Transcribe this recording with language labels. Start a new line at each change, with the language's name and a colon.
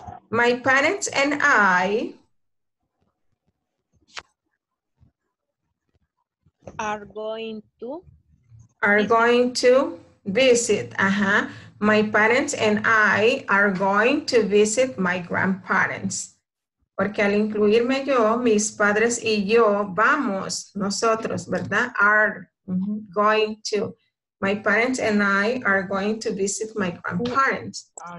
English: My parents and I are going to visit. Uh-huh. My parents and I are going to visit my grandparents.
Spanish: Porque al incluirme yo, mis padres y yo vamos, nosotros, ¿verdad?
English: Are going to. My parents and I are going to visit my grandparents.